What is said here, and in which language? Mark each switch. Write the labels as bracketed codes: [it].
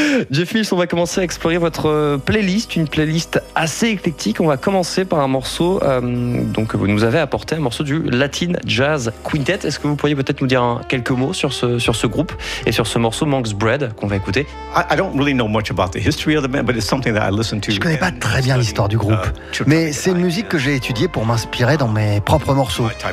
[fr] Jeff Mills, on va commencer à explorer votre playlist, une playlist assez éclectique. On va commencer par un morceau donc que vous nous avez apporté, un morceau du Latin Jazz Quintet. Est-ce que vous pourriez peut-être nous dire quelques mots sur ce groupe et sur ce morceau Monk's Bread qu'on va écouter? [en] I don't really know much about the history of the band, but it's something that I listen to. [fr] Je connais pas très bien l'histoire du groupe, mais c'est une musique que j'ai étudiée pour m'inspirer dans mes propres morceaux.